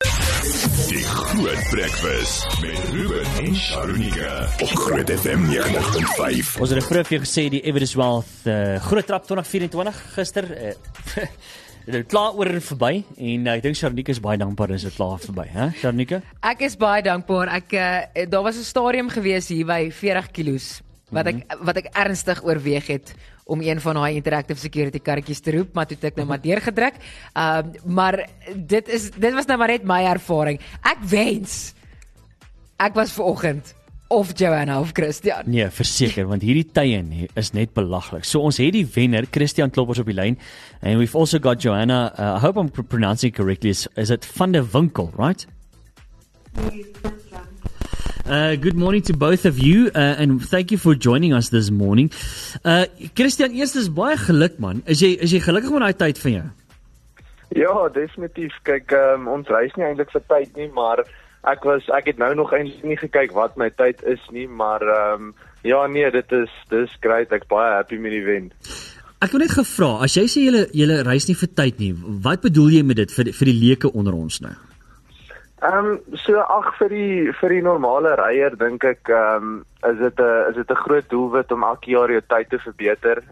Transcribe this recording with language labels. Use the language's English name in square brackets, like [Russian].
[Afrikaans] Good Breakfast met Ruben en Sharunika op Groot FM 90.5. Ons het 'n vroegie gesê die Everest Wealth Groot Trap 2024 gister. Dit is klaar oor en verby en ek dink Sharunika is baie dankbaar dis klaar verby, hè? Sharunika? Ek is baie dankbaar. Ek daar was 'n stadium gewees hier by 40 kilos wat ek ernstig oorweeg het om een van daai interactive security karretjies te roep, maar toe het ek nou maar deurgedruk. Maar dit was nou maar net my ervaring. Ek wens ek was vanoggend of Joanna of Christian. Nee, verseker, want hierdie tye is net belaglik. So ons het die wenner, Christian Kloppers op die lyn, [English] and we've also got Joanna, I hope I'm pronouncing correctly, is it Van der Winkel, right? Good morning to both of you, and thank you for joining us this morning. [Afrikaans] Christian, eerst is baie geluk, man. Is jy gelukkig met die tyd van jou? Ja, definitief. Kijk, ons reis nie eindelijk vir tyd nie, maar ek het nou nog eindelijk nie gekyk wat my tyd is nie, maar dit is great. Ek is baie happy met die wen. Ek wil net gevra, as jy sê jylle reis nie vir tyd nie, wat bedoel jy met dit vir die leke onder ons nou? Vir die normale ryer dink ek is dit 'n groot doelwit om elke jaar jou tyd te verbeter.